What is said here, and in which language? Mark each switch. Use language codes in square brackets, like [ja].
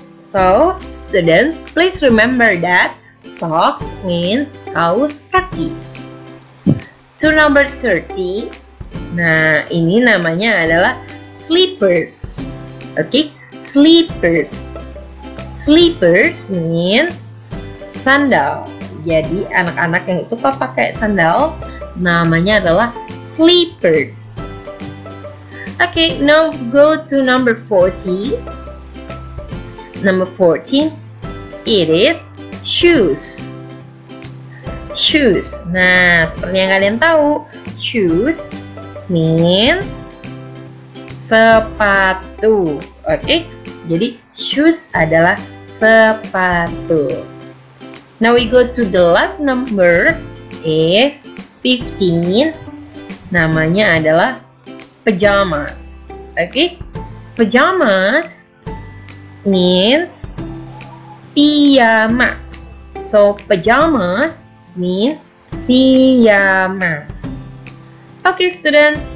[en] So, students, please remember that socks means kaus kaki. To number 13. [id] Nah, ini namanya adalah slippers. [en] Okay, slippers. Slippers means sandal. [id] Jadi, anak-anak yang suka pakai sandal, namanya adalah slippers. [en] Okay, now go to number 14. Number 14, it is shoes. Shoes. [id] Nah, seperti yang kalian tahu, [en] shoes means [id] sepatu. Okay, jadi shoes adalah sepatu. [en] Now we go to the last number is 15. [id] Namanya adalah pajamas. [en] Okay, pajamas means piyama. So pajamas means piyama. Okay, student.